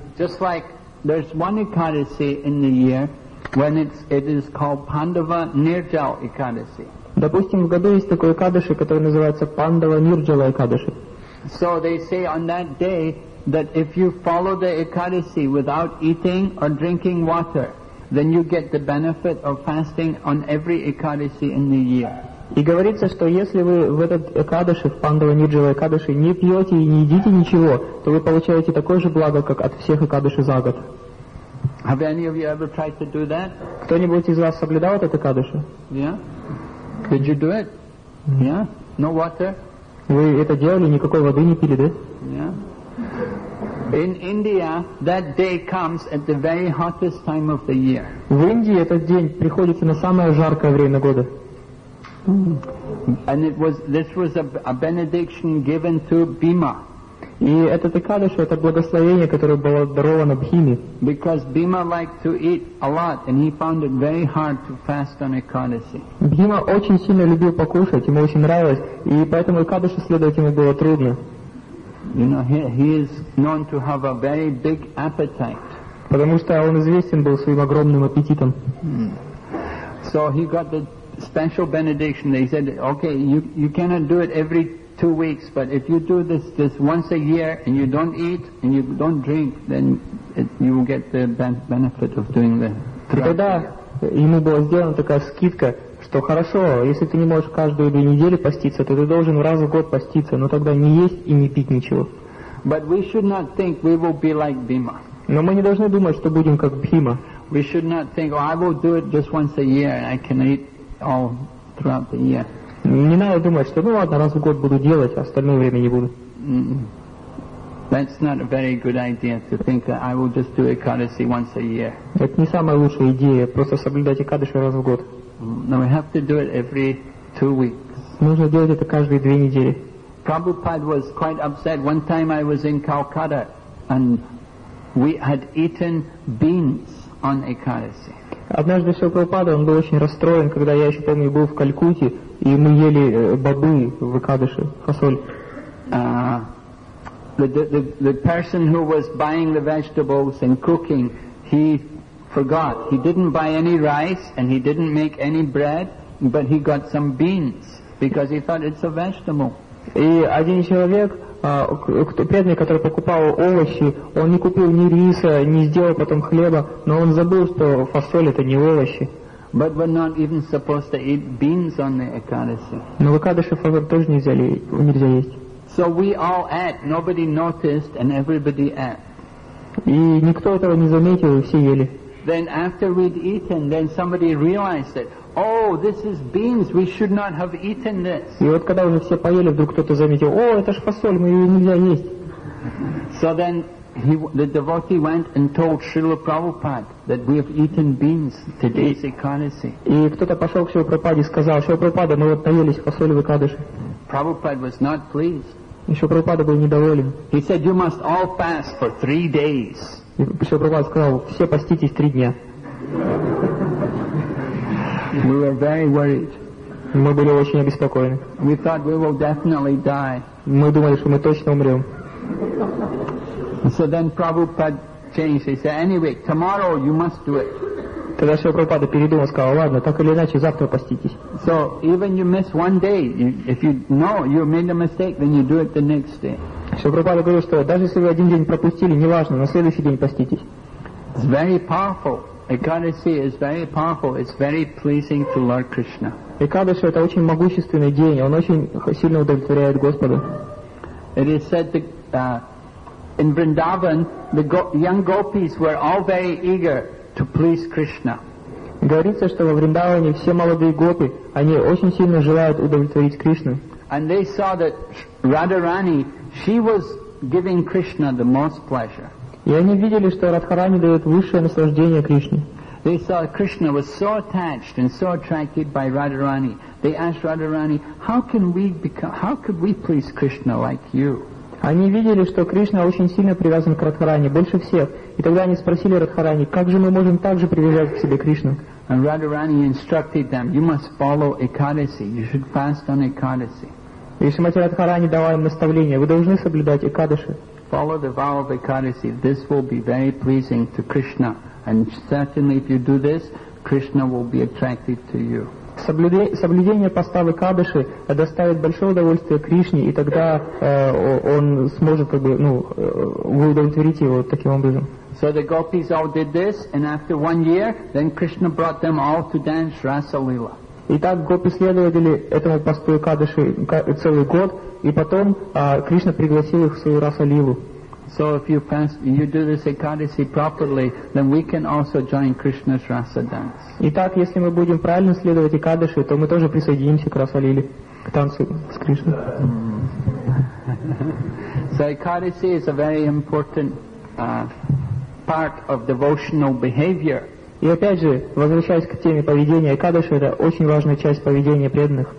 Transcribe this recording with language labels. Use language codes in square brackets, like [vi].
[en] Just like there's one Ekadasi in the year when it is called Pandava Nirjal Ekadasi. [ru] Допустим, в году есть такой Экадаши, который называется Пандава Нирджала Экадаши. [en] So they say on that day that if you follow the Ekadasi without eating or drinking water, then you get the benefit of fasting on every Ekadasi in the year. [ru] И говорится, что если вы в этот экадыши, в пандава-ниджевой экадыши, не пьете и не едите ничего, то вы получаете такое же благо, как от всех экадыши за год. [en] Have any of you ever tried to do that? [ru] Кто-нибудь из вас соблюдал этот экадыши? [en] Yeah. Did you do it? Yeah. No water? [ru] Вы это делали, никакой воды не пили, да? [en] Yeah. In India, that day comes at the very hottest time of the year. [ru] В Индии этот день приходится на самое жаркое время года. [en] And this was a benediction given to Bhima. [ru] И этот экадыш — это благословение, которое было даровано Бхиме. [en] Because Bhima liked to eat a lot, and he found it very hard to fast on Ekadasi. [ru] Бхима очень сильно любил покушать, ему очень нравилось, и поэтому экадышу следовать ему было трудно. [en] You know, he is known to have a very big appetite. [ru] Потому что он известен был своим огромным аппетитом. [en] So he got the special benediction. They said, okay, you cannot do it every 2 weeks, but if you do this once a year and you don't eat and you don't drink, then you will get the benefit of doing the. [ru] Тогда ему была сделана такая скидка, что хорошо, если ты не можешь каждые 2 недели поститься, то ты должен раз в год поститься, но тогда не есть и не пить ничего. [en] But we should not think we will be like Bhima. [ru] Но мы не должны думать, что будем как Бхима. [en] We should not think, oh, I will do it just once a year and I can eat all throughout the year. [ru] Не надо думать, что ну ладно, раз в год буду делать, а остальное время не буду. [en] That's not a very good idea to think that I will just do Ekadasi once a year. [ru] Это не самая лучшая идея, просто соблюдать Экадаши раз в год. [en] No, we have to do it every 2 weeks. [ru] Нужно делать это каждые 2 недели. [en] Prabhupada was quite upset. One time I was in Calcutta and we had eaten beans on Ekadasi. [ru] Однажды Шрила Прабхупада, он был очень расстроен, когда я еще помню, был в Калькутте, и мы ели бобы в Экадыши, фасоль. [en] The person who was buying the vegetables and cooking, he forgot. He didn't buy any rice and he didn't make any bread, but he got some beans because he thought it's a vegetable. [ru] И один человек, преданный, который покупал овощи, он не купил ни риса, не сделал потом хлеба, но он забыл, что фасоль — это не овощи. [en] But we're not even supposed to eat beans on the Ekadasi. [ru] Но в Экадыши фасоль тоже нельзя есть. [en] So we all ate, nobody noticed, and everybody ate. [ru] И никто этого не заметил, и все ели. [en] Then after we'd eaten, then somebody realized it. Oh, this is beans. We should not have eaten this. [ru] И вот когда уже все поели, вдруг кто-то заметил: о, это ж фасоль, мы ее нельзя есть. [en] So then the devotee went and told Srila Prabhupada that we have eaten beans today's Ekadasi. [ru] И кто-то пошел к Шриле Прабхупаде и сказал: Шрила Прабхупада, мы вот наелись фасоли в Экадыши. [en] Prabhupada was not pleased. [ru] И Шрила Прабхупада был недоволен. [en] He said, "You must all fast for 3 days." [ru] И Шрила Прабхупада сказал: все поститесь 3 дня. [en] We were very worried. [ru] Мы были очень обеспокоены. [en] We thought we will definitely die. [ru] Мы думали, что мы точно умрем. [en] So then Prabhupada changed. He said, "Anyway, tomorrow you must do it." [ru] Тогда Шрила Прабхупада передумал, сказал: ладно, так или иначе, завтра поститесь. [en] So even you miss one day, if you know you made a mistake, then you do it the next day. [ru] Шрила Прабхупада говорил, что даже если вы один день пропустили, неважно, на следующий день поститесь. [en] It's very powerful. Ekadasi is very powerful. It's very pleasing to Lord Krishna. [ru] Ekadasi — это очень могущественный день. Он очень сильно удовлетворяет Господа. [en] It is said that in Vrindavan, the young gopis were all very eager to please Krishna. [ru] Говорится, что во Вриндаване все молодые гопи, они очень сильно желают удовлетворить Кришну. [en] And they saw that Radharani, she was giving Krishna the most pleasure. [ru] И они видели, что Радхарани дает высшее наслаждение Кришне. [en] They saw Krishna was so attached and so attracted by Radharani. They asked Radharani, how could we please Krishna like you? [ru] Они видели, что Кришна очень сильно привязан к Радхарани, больше всех. И тогда они спросили Радхарани, как же мы можем так же привязать к себе Кришну? [en] And Radharani instructed them, you must follow Ekadasi, you should fast on Ekadasi. [ru] И Шримати Радхарани дала им наставление, вы должны соблюдать Экадаши. [en] Follow the vow of Ekadasi. This will be very pleasing to Krishna. And certainly if you do this, Krishna will be attracted to you. [ru] Соблюдение поста в Экадаши доставит большое удовольствие Кришне, и тогда он сможет, как бы, ну, вы удовлетворите его таким образом. [en] So the gopis all did this, and after 1 year, then Krishna brought them all to dance Rasa Lila. [ru] И так гопи следовали этому посту Экадыши целый год, и потом Кришна пригласил их в свою Расалилу. [en] So if you fast, you do this Ekadasi properly, then we can also join Krishna's Rasa dance. [ru] Итак, если мы будем правильно следовать Экадыши, то мы тоже присоединимся к Расалиле, к танцу с Кришной. [en] So Ekadasi is a very important part of devotional behavior. [ru] И опять же, возвращаясь к теме поведения Экадыши, это очень важная часть поведения преданных.